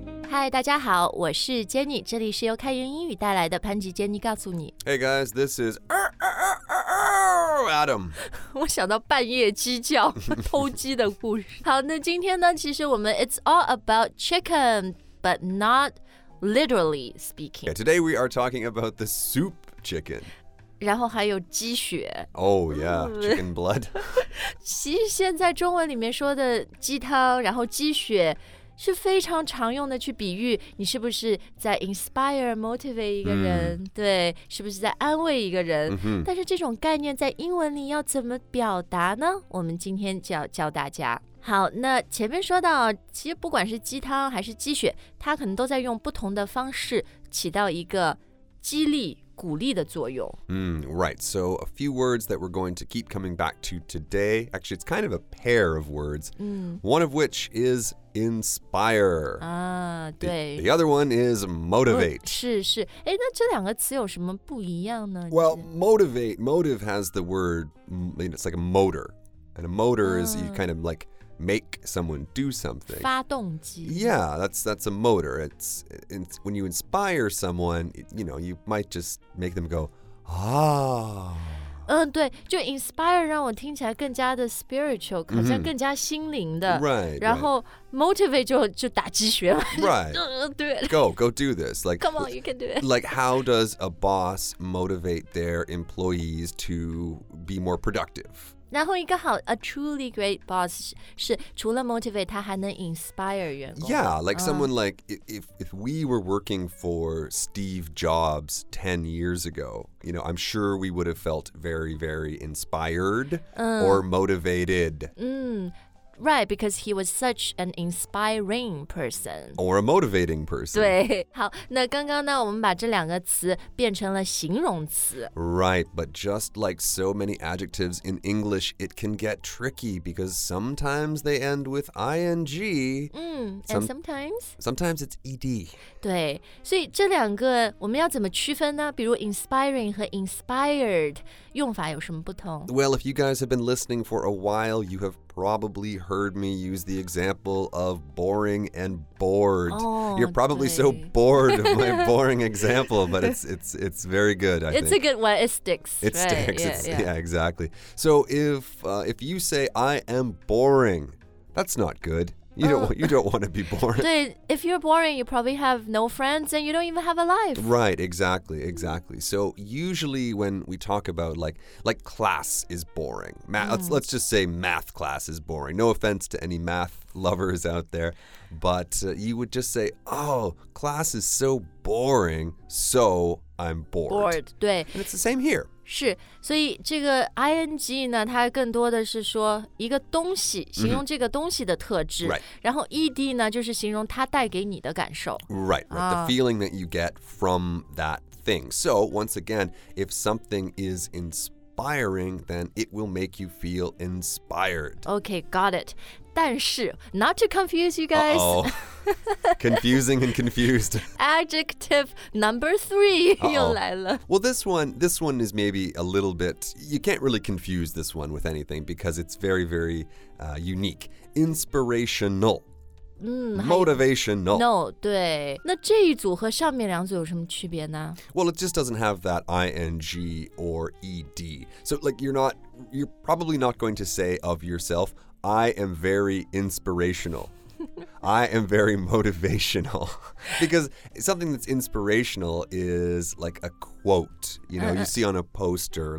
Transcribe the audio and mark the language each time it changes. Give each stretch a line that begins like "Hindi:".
Chinese: 嗨，大家好，我是 Jenny， 这里是由开源英语带来的潘吉 Jenny 告诉你。
English: Hey guys, this is Adam。
Chinese: 我想到半夜鸡叫、偷鸡的故事。好，那今天呢，其实我们
English: It's all about chicken, but not literally speaking. Yeah, today we are talking about the soup chicken.
Chinese: 然后还有鸡血。
English: Oh yeah, chicken blood.
Chinese: 其实现在中文里面说的鸡汤，然后鸡血是非常常用的去比喻你是不是在 inspire, motivate 一个人、mm. 对，是不是在安慰一个人、 mm-hmm. 但是这种概念在英文里要怎么表达呢？我们今天就要教大家。好，那前面说到，其实不管是鸡汤还是鸡血，它可能都在用不同的方式起到一个激励鼓励的作用。
English: Right, so a few words that we're going to keep coming back to today. Actually, it's kind of a pair of words. One of which is inspire.
Chinese: 啊，对。
English: The other one is motivate.
Chinese: 是是，诶，那这两个词有什么不一样呢？
English: Well, motivate, motive has the word, it's like a motor. And a motor is you kind of like make someone do something.
Chinese: 发动机。
English: Yeah, that's a motor. It's when you inspire someone, you know, you might just make them go, ah.
Chinese: 嗯，对，就 inspire 让我听起来更加的 spiritual, 好像更加心灵的。
English: Right.
Chinese: 然后 motivate 就打鸡血了。
English: Right.
Chinese: 对。
English: Go do this. Like, come on, you can do it. Like, how does a boss motivate their employees to be more productive?
Chinese: 然后一个好
English: a truly great boss
Chinese: 是除了 motivate 他还能 inspire 员工。
English: Yeah, like someone like if we were working for Steve Jobs 10 years ago, you know, I'm sure we would have felt very, very inspired or motivated. Right, because he was such an inspiring person. Or a motivating person.
Chinese: 对，好，那刚刚呢，我们把这两个词变成了形容词。
English: Right, but just like so many adjectives in English, it can get tricky because sometimes they end with ing. And sometimes? Sometimes it's ed. 对，所以这两个我们要怎么区分呢？比如 inspiring 和 inspired 用法有什么不同？ Well, if you guys have been listening for a while, you have probably heard me use the example of boring and bored. Oh, you're probably so bored of my boring example, but it's very good, I think. It's a good one. It sticks. It right? sticks. Yeah, yeah. yeah, exactly. So if you say, I am boring, that's not good. You don't want to be boring. 对, if you're boring, you probably have no friends and you don't even have a life. Right, exactly. So usually when we talk about like class is boring. Let's just say math class is boring. No offense to any math lovers out there. But you would just say, oh, class is so boring, so I'm bored. Bored, 对. And it's the same here.
Chinese: 是，所以这个 ing 呢，它更多的是说一个东西，形容这个东西的特质。
English: Mm-hmm. Right.
Chinese: 然后 ed 呢，就是形容它带给你的感受。
English: Right, right. The feeling that you get from that thing. So once again, if something is inspiring, then it will make you feel inspired. Okay, got it. 但是 not to confuse you guys. Uh-oh. Confusing and confused. Adjective number three.
Chinese: Uh-oh. 又来了。
English: Well, this one is maybe a little bit, you can't really confuse this one with anything because it's very, very unique. Inspirational. Motivational.
Chinese: No, 对。那这一组和上面两组有什么区别呢？
English: Well, it just doesn't have that ing or ed. So, like, you're probably not going to say of yourself, I am very inspirational. I am very motivational. Because something that's inspirational is like a quote, you know, you see on a poster.